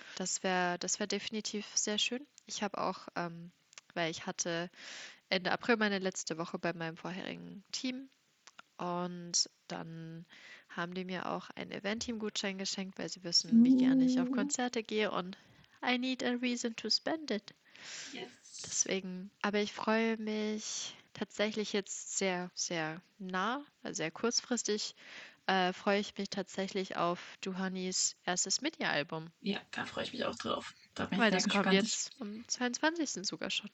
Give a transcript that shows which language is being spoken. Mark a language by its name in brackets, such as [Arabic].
[German] Das wäre definitiv sehr schön. Ich habe auch, weil ich hatte Ende April meine letzte Woche bei meinem vorherigen Team. Und dann haben die mir auch einen Event-Team-Gutschein geschenkt, weil sie wissen, wie gerne ich auf Konzerte gehe. [English] Und I need a reason to spend it. [German] Deswegen, aber ich freue mich tatsächlich jetzt sehr, sehr nah, sehr kurzfristig freue ich mich tatsächlich auf Duhanis erstes Mini-Album. Ja, da freue ich mich auch drauf. Da bin ich Weil sehr das kommt gespannt. jetzt am 22. sogar schon.